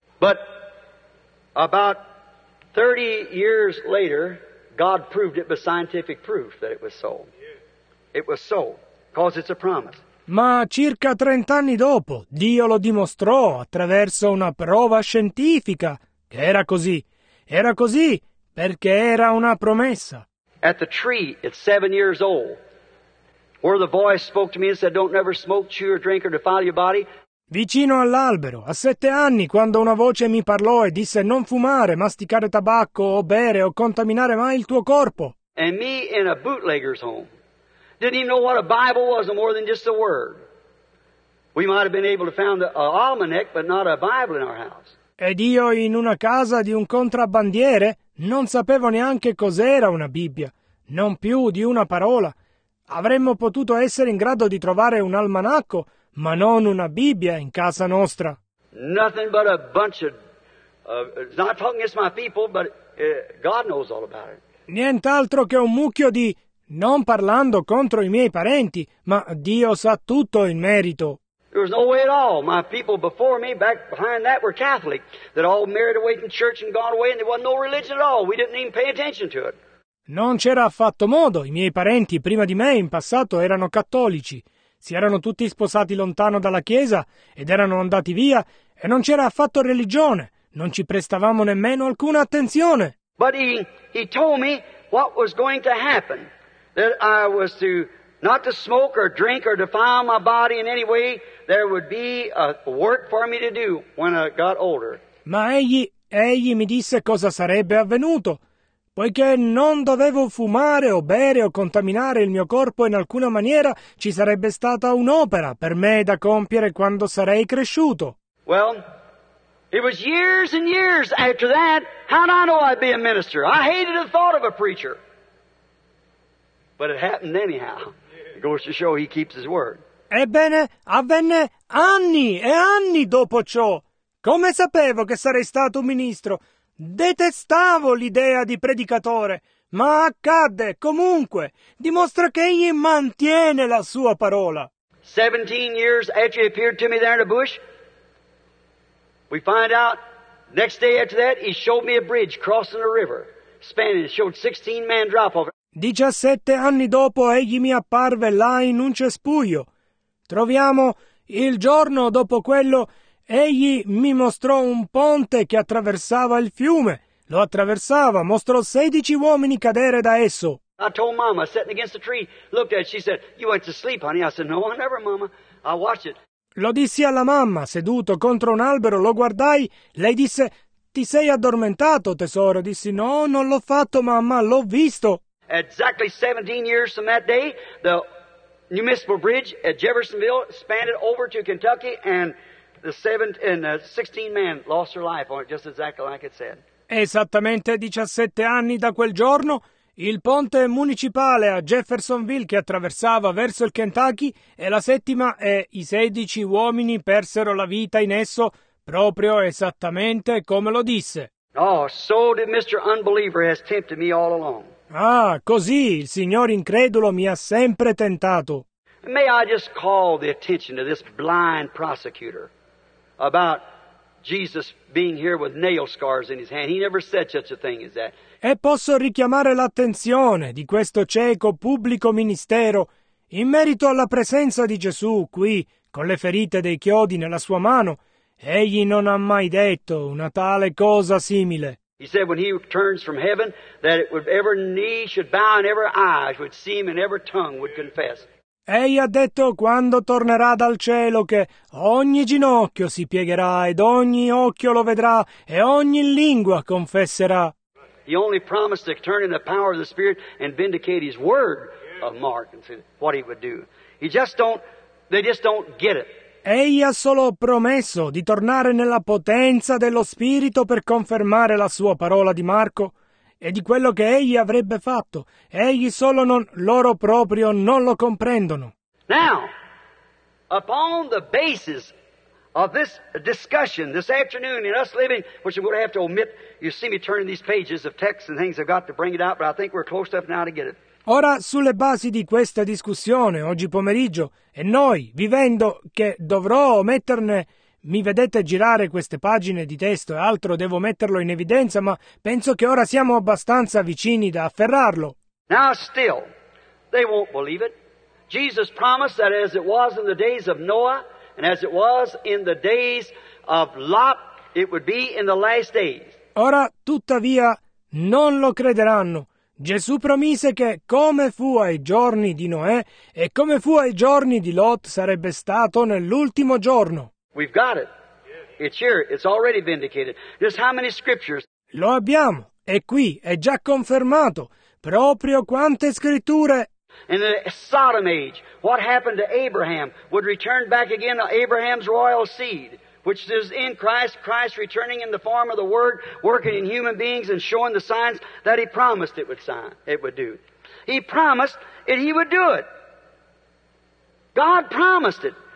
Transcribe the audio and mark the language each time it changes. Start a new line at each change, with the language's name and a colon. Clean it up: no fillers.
English: But about 30 years later, God proved it by scientific proof that it was so. It was so, because it's a promise.
Italian: Ma circa 30 anni dopo, Dio lo dimostrò attraverso una prova scientifica che era così. Era così perché era una promessa.
English: At the tree, at 7 years old, where the voice spoke to me and said, don't ever smoke, chew or drink or defile your body.
Italian: Vicino all'albero, a 7 anni, quando una voce mi parlò e disse, non fumare, masticare tabacco o bere o contaminare mai il tuo corpo.
English: And me in a bootlegger's home. Didn't even know what a Bible was, no more than just a word. We might have been able to found an almanac, but not a Bible in our house.
Italian: Ed io in una casa di un contrabbandiere non sapevo neanche cos'era una Bibbia, non più di una parola. Avremmo potuto essere in grado di trovare un almanacco, ma non una Bibbia in casa nostra.
English: Nothing but a bunch of, not talking against my people, but God knows all about it.
Italian: Nient'altro che un mucchio di... Non parlando contro i miei parenti, ma Dio sa tutto in merito.
English: There was no way at all. My people before me, back behind that, were Catholic. They'd all married away from church and gone away, and there wasn't no religion at all. We didn't even pay attention to it.
Italian: Non c'era affatto modo. I miei parenti prima di me, in passato, erano cattolici. Si erano tutti sposati lontano dalla chiesa ed erano andati via, e non c'era affatto religione. Non ci prestavamo nemmeno alcuna attenzione.
English: But he told me what was going to happen. That I was to not to smoke or drink or defile my body in any way, there would be a work for me to do when I got older.
Italian: Ma egli mi disse cosa sarebbe avvenuto, poiché non dovevo fumare o bere o contaminare il mio corpo in alcuna maniera, ci sarebbe stata un'opera per me da compiere quando sarei cresciuto.
English: Well, it was years and years after that. How did I know I'd be a minister? I hated the thought of a preacher. But it happened anyhow. It goes to show he keeps his word.
Italian: Ebbene, avvenne anni e anni dopo ciò. Come sapevo che sarei stato un ministro? Detestavo l'idea di predicatore, ma accadde comunque. Dimostra che egli mantiene la sua parola.
English: 17 years after he appeared to me there in the bush, we find out next day after that he showed me a bridge crossing a river, spanning. It showed 16 men drop off.
Italian: 17 anni dopo egli mi apparve là in un cespuglio. Troviamo il giorno dopo quello, egli mi mostrò un ponte che attraversava il fiume. Lo attraversava, mostrò 16 uomini cadere da esso.
English: I told mama, sitting against the tree, looked at it, she said, you went to sleep, honey. I said, no, I never, mama. I watched it.
Italian: Lo dissi alla mamma, seduto contro un albero, lo guardai, lei disse, ti sei addormentato, tesoro? Dissi, no, non l'ho fatto, mamma, l'ho visto.
English: Exactly 17 years from that day, the new municipal bridge at Jeffersonville spanned over to Kentucky, and the 16 men lost their life on it, just exactly like it said.
Italian: Esattamente 17 anni da quel giorno, il ponte municipale a Jeffersonville che attraversava verso il Kentucky, e la settima e i 16 uomini persero la vita in esso, proprio esattamente come lo disse.
English: Oh, so did Mr. Unbeliever has tempted me all along.
Italian: Ah, così il signor incredulo mi ha sempre tentato.
English: May I just call the attention to this blind prosecutor about Jesus being here with nail scars in his hand? He never said such a thing as that.
Italian: E posso richiamare l'attenzione di questo cieco pubblico ministero in merito alla presenza di Gesù qui con le ferite dei chiodi nella sua mano? Egli non ha mai detto una tale cosa simile.
English: He said when he returns from heaven that every knee should bow and every eye would see him and every tongue would confess.
Italian: Egli ha detto quando tornerà dal cielo che ogni ginocchio si piegherà ed ogni occhio lo vedrà e ogni lingua confesserà.
English: He only promised to turn in the power of the Spirit and vindicate his word of Mark and said what he would do. They just don't get it.
Italian: Egli ha solo promesso di tornare nella potenza dello Spirito per confermare la sua parola di Marco e di quello che egli avrebbe fatto. Egli solo non, loro proprio non lo comprendono.
English: Now, upon the basis of this discussion this afternoon in us living, which I'm going to have to omit, you see me turning these pages of texts and things, I've got to bring it out, but I think we're close enough now to get it.
Italian: Ora, sulle basi di questa discussione, oggi pomeriggio, e noi, vivendo che dovrò metterne, mi vedete girare queste pagine di testo e altro, devo metterlo in evidenza, ma penso che ora siamo abbastanza vicini da afferrarlo.
English: Now still, they won't believe it. Jesus promised that as it was in the days of Noah, and as it was in the days of Lot, it would be in the last days.
Italian: Ora, tuttavia, non lo crederanno. Gesù promise che come fu ai giorni di Noè e come fu ai giorni di Lot sarebbe stato nell'ultimo giorno.
English: We've got it. It's here. It's already vindicated. Just how many scriptures?
Italian: Lo abbiamo. È qui. È già confermato. Proprio quante scritture?
English: In the Sodom age, what happened to Abraham would return back again to Abraham's royal seed, which is in Christ, Christ returning in the form of the Word, working in human beings and showing the signs that He promised it would do. He promised that He would do it. God promised it.